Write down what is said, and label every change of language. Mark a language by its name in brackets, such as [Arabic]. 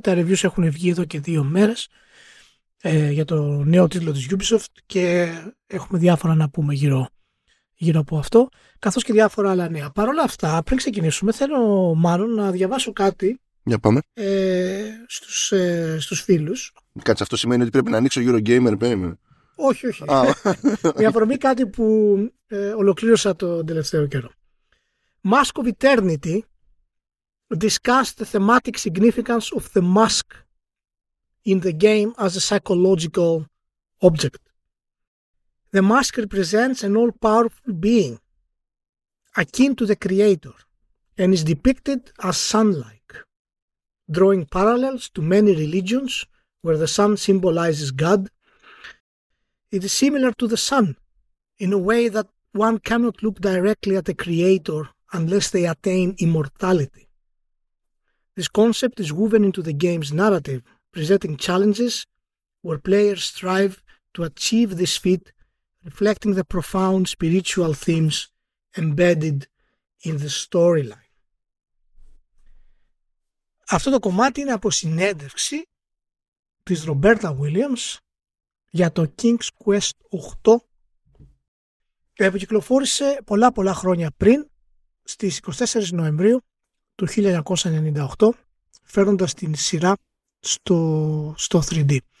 [Greek] Τα reviews έχουν βγει εδώ και 2 μέρες για το νέο τίτλο της Ubisoft και έχουμε διάφορα να πούμε γύρω από αυτό, καθώς και διάφορα άλλα νέα. Παρ' όλα αυτά, πριν ξεκινήσουμε, θέλω μάλλον να διαβάσω κάτι για πάμε. Στους φίλους. Κάτσε, αυτό σημαίνει ότι πρέπει να ανοίξω Eurogamer, περίμενε. Όχι. Με αφορμή κάτι που ολοκλήρωσα τον τελευταίο καιρό. [English] Mask of Eternity discussed the thematic significance of the mask in the game as a psychological object. The mask represents an all-powerful being akin to the creator and is depicted as sun-like, drawing parallels to many religions where the sun symbolizes God. It is similar to the sun in a way that one cannot look directly at the creator unless they attain immortality. This concept is woven into the game's narrative, presenting challenges where players strive to achieve this feat, reflecting the profound spiritual themes embedded in the storyline. [Greek] Αυτό το κομμάτι είναι από συνέντευξη της Roberta Williams για το King's Quest 8, που κυκλοφόρησε πολλά χρόνια πριν, στις 24 Νοεμβρίου του 1998, φέρνοντας την σειρά στο 3D.